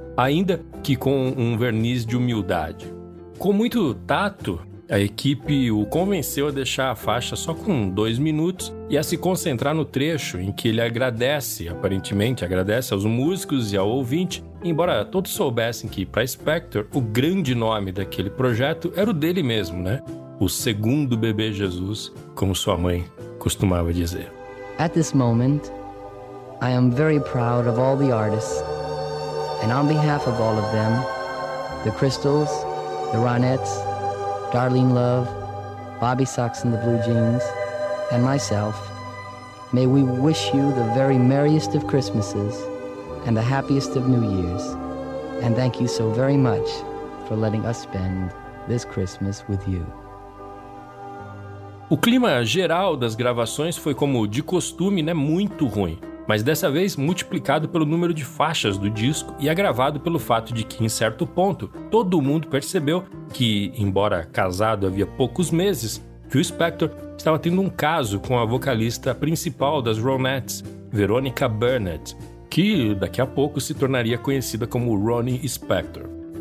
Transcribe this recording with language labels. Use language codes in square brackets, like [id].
[pt] Ainda que com um verniz de humildade. Com muito tato, a equipe o convenceu a deixar a faixa só com 2 minutos e a se concentrar no trecho em que ele agradece, aparentemente agradece aos músicos e ao ouvinte, embora todos soubessem que, para Spector, o grande nome daquele projeto era o dele mesmo, né? O segundo bebê Jesus, como sua mãe costumava dizer. [en] At this moment, I am very proud of all the artists, and on behalf of all of them, the Crystals, the Ronettes, Darlene Love, Bobby Sox and the Blue Jeans, and myself, may we wish you the very merriest of Christmases and the happiest of New Years. And thank you so very much for letting us spend this Christmas with you. [pt] O clima geral das gravações foi, como de costume, né, muito ruim, mas dessa vez multiplicado pelo número de faixas do disco e agravado pelo fato de que, em certo ponto, todo mundo percebeu que, embora casado havia poucos meses, Phil Spector estava tendo um caso com a vocalista principal das Ronettes, Veronica Burnett, que daqui a pouco se tornaria conhecida como Ronnie Spector.